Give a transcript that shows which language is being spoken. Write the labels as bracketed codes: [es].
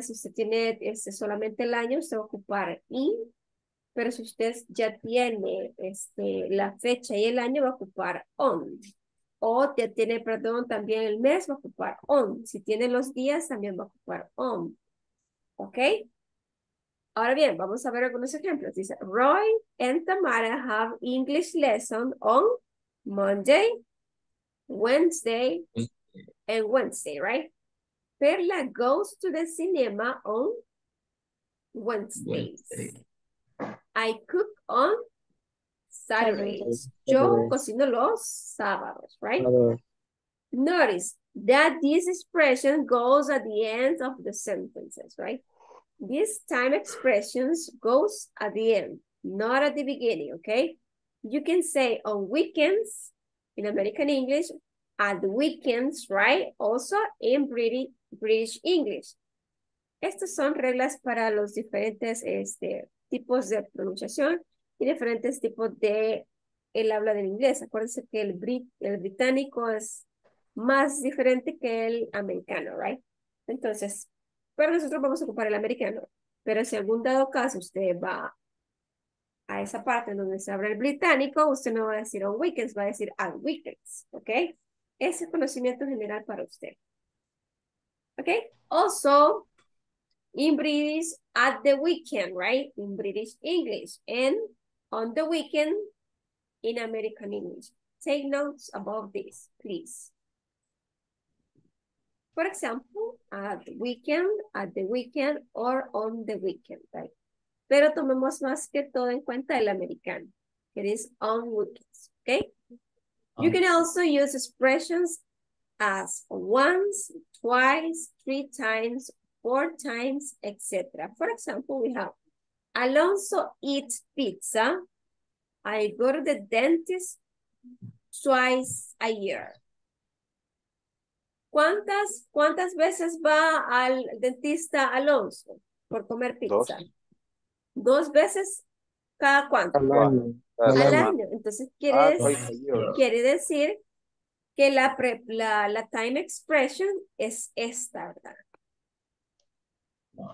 [es] Si usted tiene solamente el año, se va a ocupar in, pero si usted ya tiene la fecha y el año, va a ocupar on. O ya tiene, perdón, también el mes, va a ocupar on. Si tiene los días, también va a ocupar on. ¿Ok? Ahora bien, vamos a ver algunos ejemplos. Dice, [en] Roy and Tamara have English lesson on Monday, Wednesday, and Wednesday, right? Perla goes to the cinema on Wednesdays. I cook on Saturdays. [es] Yo cocino los sábados, [en] right? Notice that this expression goes at the end of the sentences, right? This time expressions goes at the end, not at the beginning, okay? You can say on weekends in American English, at the weekends, right? Also in British English. [es] Estas son reglas para los diferentes tipos de pronunciación y diferentes tipos de el habla del inglés. Acuérdense que el británico es más diferente que el americano, [en] right? [es] Entonces, pero nosotros vamos a ocupar el americano. Pero si algún dado caso usted va a esa parte donde se habla el británico, usted no va a decir [en] on weekends, [es] va a decir [en] at weekends, ¿ok? [es] Ese conocimiento general para usted. [en] ¿Ok? Also, in British, at the weekend, right? In British English. And on the weekend, in American English. Take notes about this, please. For example, at the weekend, or on the weekend, right? [es] Pero tomemos más que todo en cuenta el americano. [en] It is on weekends, okay? You can also use expressions as once, twice, three times, four times, etc. For example, we have Alonso eats pizza. I go to the dentist twice a year. [es] ¿Cuántas veces va al dentista Alonso por comer pizza? Dos. ¿Dos veces cada cuánto? Al año. Al año. Entonces quiere decir que la [en] time expression [es] es esta, ¿verdad?